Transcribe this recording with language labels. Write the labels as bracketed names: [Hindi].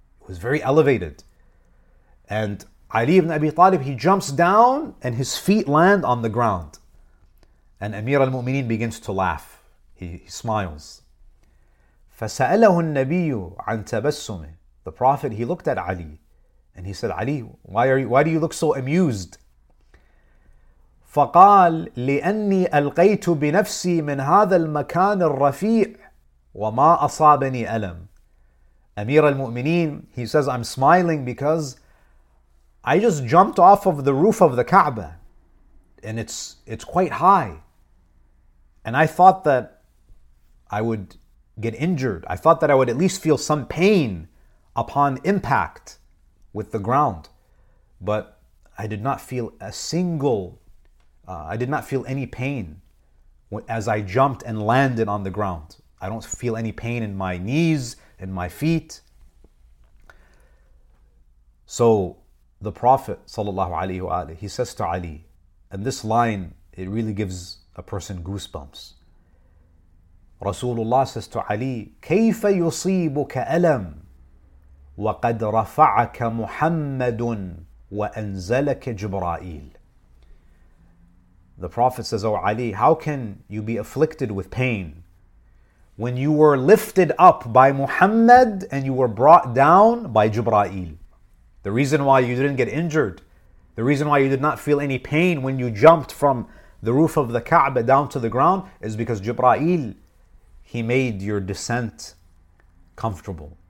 [English] It was very elevated. And Ali ibn Abi Talib, he jumps down and his feet land on the ground. And Amir al-Mu'mineen begins to laugh. He smiles. [Arabic] فَسَأَلَهُ النَّبِيُّ عَنْ تَبَسُّمِهِ. [English] The Prophet, he looked at Ali and he said, Ali, why do you look so amused? [Arabic] فقال لأني ألقيت بنفسي من هذا المكان الرفيع وما أصابني ألم. [English] Amir al-Mu'mineen, he says, I'm smiling because I just jumped off of the roof of the Kaaba and it's quite high. And I thought that I would get injured. I thought that I would at least feel some pain upon impact with the ground. But I did not feel any pain as I jumped and landed on the ground. I don't feel any pain in my knees, in my feet. So the Prophet sallallahu alayhi wa alayhi, he says to Ali, and this line, it really gives a person goosebumps. [Arabic] Rasulullah [English] says to Ali, [Arabic] كَيْفَ يُصِيبُكَ أَلَمْ وَقَدْ رَفَعَكَ مُحَمَّدٌ وَأَنْزَلَكَ جِبْرَائِيلِ. [English] The Prophet says, O Ali, how can you be afflicted with pain when you were lifted up by Muhammad and you were brought down by Jibra'il? The reason why you didn't get injured, the reason why you did not feel any pain when you jumped from the roof of the Kaaba down to the ground is because Jibra'il, he made your descent comfortable.